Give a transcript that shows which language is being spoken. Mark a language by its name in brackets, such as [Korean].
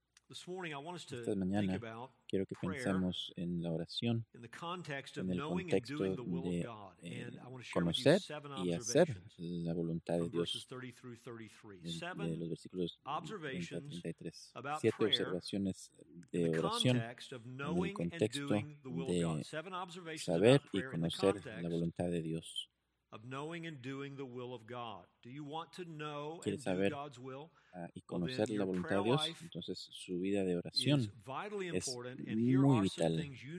[Spanish] Esta mañana quiero que pensemos en la oración en el contexto de conocer y hacer la voluntad de Dios, de los versículos 30 a 33. Siete observaciones de oración en el contexto de saber y conocer la voluntad de Dios. [English] of knowing and doing the will of God. Do you want to know and do God's will? [Spanish] Y conocer la voluntad de Dios, entonces su vida de oración es muy vital.